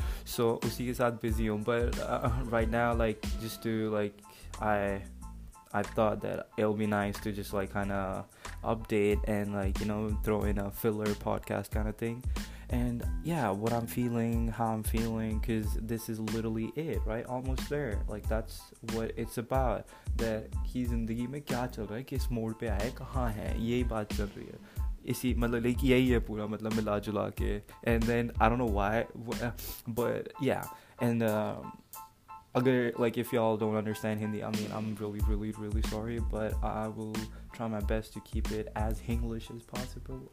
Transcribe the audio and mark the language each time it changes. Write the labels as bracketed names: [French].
[English] So [Hindi] usi ke saath busy hun. [English] But right now, like, just to, like, I thought that it'll be nice to just, like, kind of update and, like, you know, throw in a filler podcast kind of thing. And yeah, what I'm feeling, how I'm feeling, because this is literally it, right? Almost there. Like, that's what it's about. That [Hindi] की ज़िंदगी में क्या चल रहा है, किस mode पे आया, कहाँ है, येही बात चल रही है. इसी मतलब, like, येही है पूरा, मतलब मिला जुला के. [English] And then I don't know why, but yeah. And agar, like, if y'all don't understand Hindi, I mean, I'm really, really, really sorry, but I will try my best to keep it as English as possible.